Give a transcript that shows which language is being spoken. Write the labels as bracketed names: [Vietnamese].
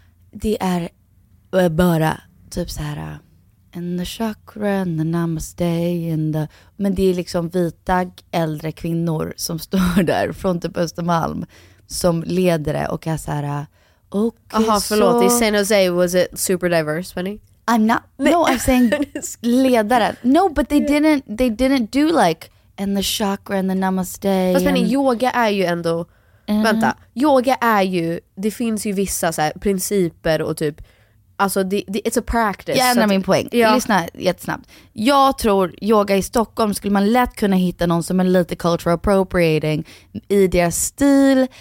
[Swedish] Det är bara typ så här, [English] and the chakra and the [Swedish] namaste and the, men det är liksom vita äldre kvinnor som står där från typ Östermalm som leder det och är så här. [English] Okay, [Swedish] aha, förlåt, [English] i San Jose was it super diverse, Penny? I'm not, no, I'm saying ledare. No, but they didn't do like and the chakra and the namaste. [Swedish] Fast Penny, [English] and [Swedish] yoga är ju ändå vänta, yoga är ju, det finns ju vissa så här principer och typ, alltså [English] it's a practice. [Swedish] Jag ändrar min poäng. Ja. Lyssna jättesnabbt. Jag tror yoga i Stockholm skulle man lätt kunna hitta någon som är lite [English] cultural appropriating [Swedish] i deras stil.